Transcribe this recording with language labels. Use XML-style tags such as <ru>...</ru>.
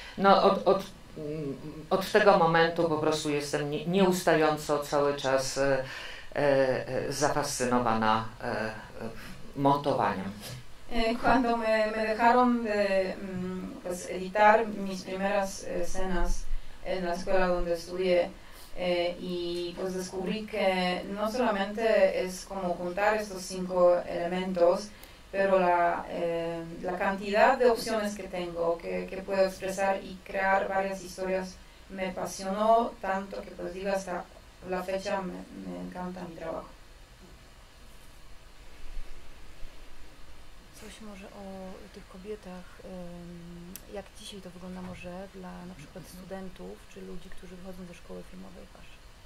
<pl>No, od tego momentu po prostu jestem nieustająco cały czas zafascynowana montowaniem.</pl> <es>Cuando me dejaron de pues, editar mis primeras escenas en la escuela donde estudié y pues descubrí que no solamente es como juntar estos 5 elementos, pero la cantidad de opciones que tengo, que puedo expresar y crear varias historias, me apasionó tanto que pues digo hasta la fecha me encanta mi trabajo.</es> <pl>Coś może o tych kobietach, jak dzisiaj to wygląda może dla na przykład studentów, czy ludzi, którzy wychodzą ze szkoły filmowej wasze?</pl>